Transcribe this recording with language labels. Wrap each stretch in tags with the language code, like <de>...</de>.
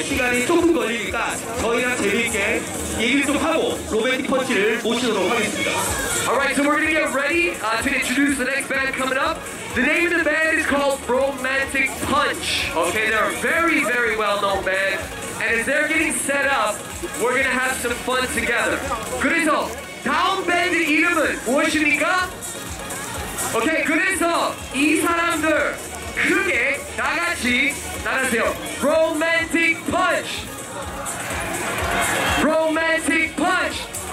<ko>시간이 조금 걸리니까 저희랑 재미있게 얘기를 좀 하고 로맨틱 펀치를 모시도록 하겠습니다.</ko> <en>Alright, so we're gonna get ready to introduce the next band coming up. The name of the band is called Romantic Punch. Okay, they're a very, very well-known band. And as they're getting set up, we're gonna have some fun together.</en> <ko>그래서 다음 밴드 이름은 무엇입니까? Okay, 그래서 이 사람들 크게 다 같이 따라하세요. Romantic Punch. Romantic Punch.</ko>